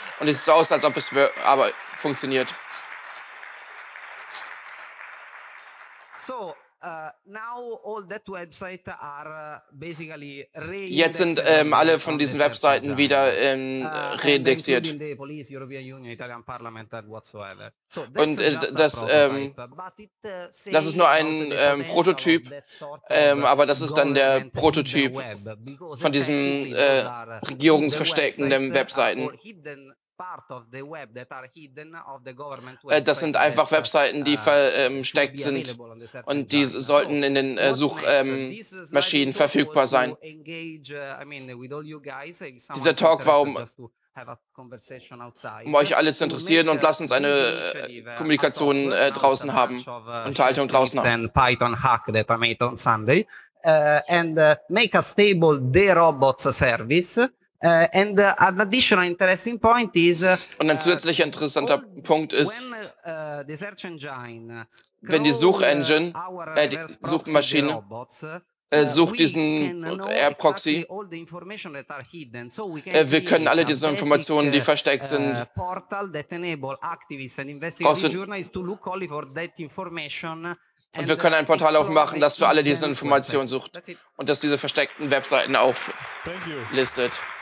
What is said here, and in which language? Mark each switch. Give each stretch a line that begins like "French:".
German: Und es sieht so aus, als ob es aber funktioniert.
English: So, now all that website are basically re-indexed.
German: Jetzt sind alle von diesen Webseiten wieder reindexiert. Und das ist nur ein Prototyp, aber das ist dann der Prototyp von diesen regierungsversteckenden Webseiten. Das sind einfach Webseiten, die versteckt sind, und die sollten in den Suchmaschinen verfügbar sein. Dieser Talk war, um euch alle zu interessieren, und lasst uns eine Kommunikation draußen haben, Unterhaltung draußen haben.
English: Python hack that I made on Sunday and make a stable the robots service. And an additional interesting point is,
German: und ein zusätzlicher interessanter Punkt ist, wenn die Suchengine, die Suchmaschine, sucht diesen R-Proxy, wir können alle diese Informationen, die versteckt sind, und wir können ein Portal aufmachen, das für alle diese Informationen sucht und das diese versteckten Webseiten auflistet.